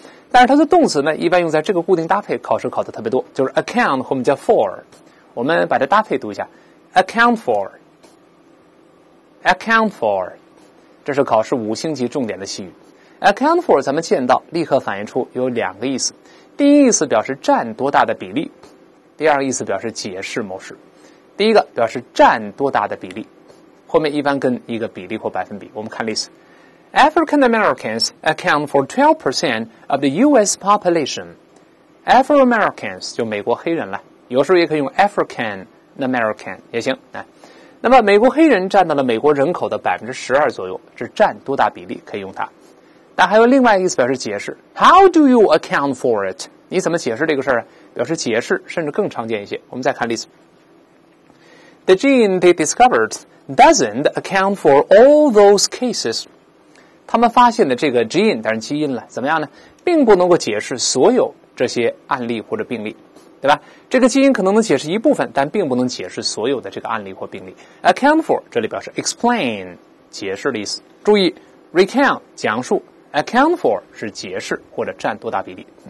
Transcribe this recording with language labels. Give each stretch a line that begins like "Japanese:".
Chinese: 但是它的动词呢，一般用在这个固定搭配，考试考的特别多，就是 account 后面叫 for， 我们把它搭配读一下
English: account for account for，
Chinese: 这是考试五星级重点的西语。 account for 咱们见到立刻反映出有两个意思，第一意思表示占多大的比例，第二意思表示解释某事。第一个表示占多大的比例，后面一般跟一个比例或百分比。我们看例子。
English: African Americans account for 12% of the US population.
Chinese: Afro-Americans 就美国黑人了，有时候也可以用 African-American 也行。那么美国黑人占到了美国人口的 12% 左右，这占多大比例可以用它。但还有另外一个意思表示解释，
English: How do you account for it?
Chinese: 你怎么解释这个事儿？表示解释甚至更常见一些。我们再看例子。
English: The gene they discovered doesn't account for all those cases.
Chinese: 他们发现的这个 gene, 当然基因了，怎么样呢？并不能够解释所有这些案例或者病例，对吧？这个基因可能能解释一部分，但并不能解释所有的这个案例或病例。
English: Account for,
Chinese: 这里表示 explain, 解释的意思。注意 recount, 讲述
English: account for,
Chinese: 是解释或者占多大比例。